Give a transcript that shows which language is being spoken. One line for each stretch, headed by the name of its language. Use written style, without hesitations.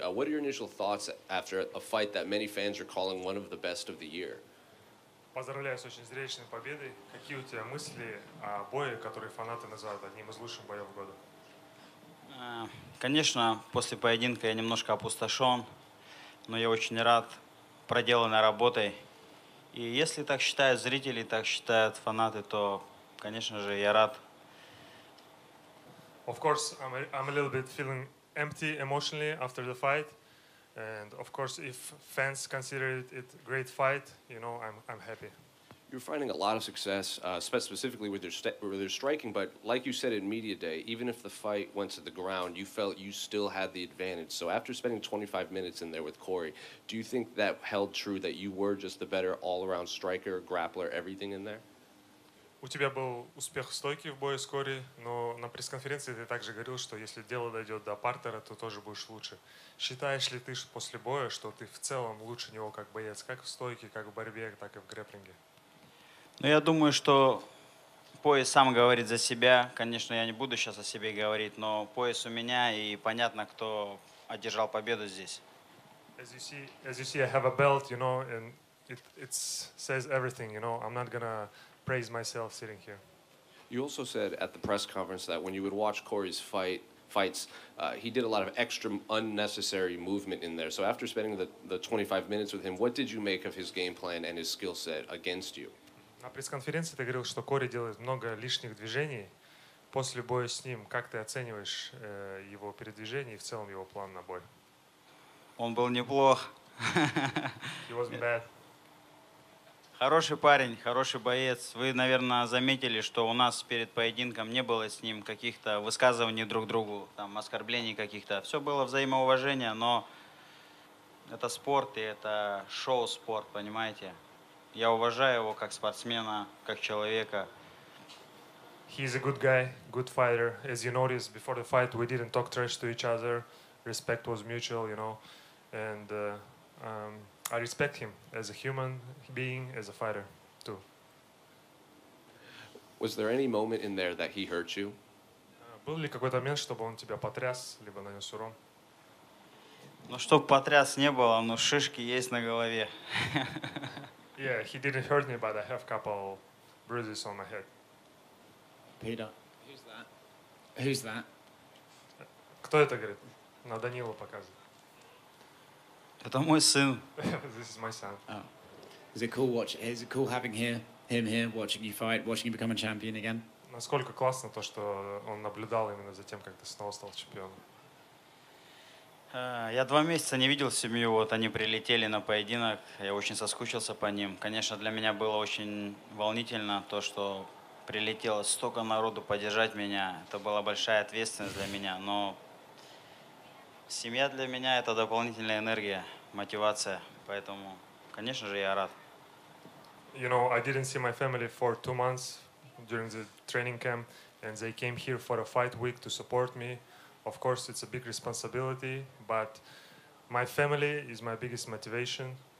English: What are your initial thoughts after a fight that many fans are calling one of the best of the year?
Russian: Поздравляю с очень зрелищной победой. Какие у тебя мысли о бое, который фанаты называют одним из лучших боев года? Конечно, после поединка я немножко опустошен, но я очень рад проделанной работой. И если так считают зрители, так считают фанаты, то, конечно же, я рад.
English: Of course, I'm a little bit feeling empty emotionally after the fight. And of course, if fans consider it a great fight, you know, I'm happy. You're finding a lot of success, specifically with your striking, but like you said in Media Day, even if the fight went to the ground, you felt you still had the advantage. So after spending 25 minutes in there with Corey, do you think that held true, that you were just the better all-around striker, grappler, everything in there?
Russian: У тебя был успех в стойке в бою с Кори, но на пресс-конференции ты также говорил, что если дело дойдет до партера, то тоже будешь лучше. Считаешь ли ты после боя, что ты в целом лучше него как боец, как в стойке, как в борьбе, так и в грэпплинге? Ну, я думаю, что пояс сам говорит за себя. Конечно, я не буду сейчас о себе говорить, но пояс у меня, и понятно, кто одержал победу здесь.
English: As you see, I have a belt, you know, and it says everything, you know. I'm not gonna praise myself sitting here. You also said at the press conference that when you would watch Corey's fights, he did a lot of extra unnecessary movement in there. So after spending the 25 minutes with him, what did you make of his game plan and his skill set against you?
Russian: На пресс-конференции ты говорил, что Кори делает много лишних движений. После боя с ним, как ты оцениваешь его передвижение и в целом его план на бой? Он был неплох.
English: He wasn't bad.
Russian: Хороший парень, хороший боец. Вы, наверное, заметили, что у нас перед поединком не было с ним каких-то высказываний друг другу, там оскорблений каких-то. Все было взаимоуважение, но это спорт и это шоу-спорт, понимаете? Я уважаю его как спортсмена, как человека.
English: He's a good guy, good fighter. As you noticed, before the fight we didn't talk trash to each other. Respect was mutual, you know. And I respect him as a human being, as a fighter, too. Was there any moment in there that he hurt you?
Russian: Был ли какой-то момент, чтобы он тебя потряс, либо нанес урон? Ну, чтоб потряс не было, но шишки есть на голове.
English: Yeah, he didn't hurt me, but I have a couple bruises on my head. Peter. Who's that?
Russian: Кто это говорит? На Данилу показывает. Это мой сын.
English: This is my son. Oh. Is it cool having him here, watching you fight, watching you become a champion again?
Russian: Насколько классно то, что он наблюдал именно за тем, как ты снова стал чемпионом. Я 2 месяца не видел семью, вот они прилетели на поединок, я очень соскучился по ним. Конечно, для меня было очень волнительно то, что прилетело столько народу поддержать меня. Это была большая ответственность для меня, но семья для меня — это дополнительная энергия, мотивация. Поэтому, конечно же, я рад.
English: You know, I didn't see my family for 2 months during the training camp, and they came here for a fight week to support me. Of course, it's a big responsibility, but my family is my biggest motivation.